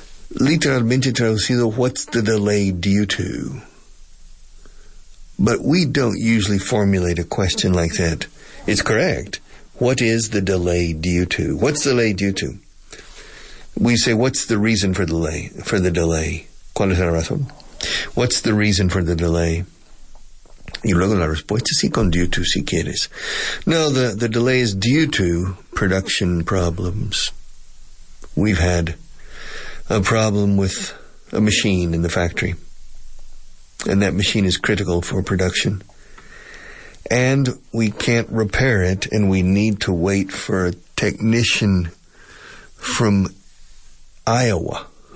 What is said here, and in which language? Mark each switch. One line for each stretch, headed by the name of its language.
Spanish: Literalmente traducido,
English: what's the delay due to? But we don't usually formulate a question like that. It's correct. What is the delay due to? What's the delay due to? We say, what's the reason for the delay?
Spanish: ¿Cuál es la razón?
English: What's the reason for the delay?
Spanish: Y luego la respuesta, sí, con due to, si quieres.
English: No, the delay is due to production problems. We've had a problem with a machine in the factory. And that machine is critical for production. And we can't repair it, and we need to wait for a technician from Iowa.